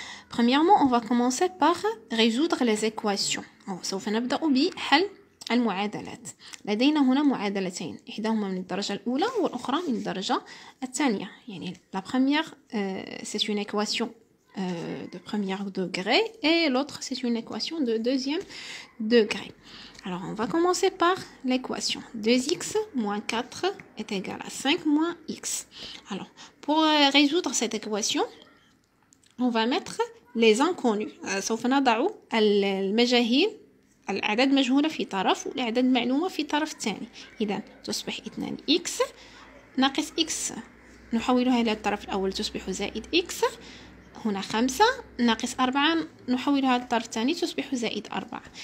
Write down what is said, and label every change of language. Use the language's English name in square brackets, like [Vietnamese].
[French] Premièrement, on va commencer par résoudre les équations. [Arabic] سوف نبدأ بحل المعادلات. لدينا هنا معادلتين، إحداهما من الدرجة الأولى والأخرى من الدرجة الثانية. [French] يعني la première c'est une équation de premier degré et l'autre c'est une équation de deuxième degré. Alors on va commencer par l'équation 2x moins 4 est égal à 5 moins x. Alors pour résoudre cette équation, on va mettre les inconnus. [Arabic] سوف نضع المجاهيل العدد مجهول في طرف والعدد معلوم في طرف الثاني. إذا تصبح 2x ناقص x نحولها إلى الطرف الأول تصبح زائد x. هنا 5 ناقص 4 نحولها إلى الطرف الثاني تصبح زائد 4.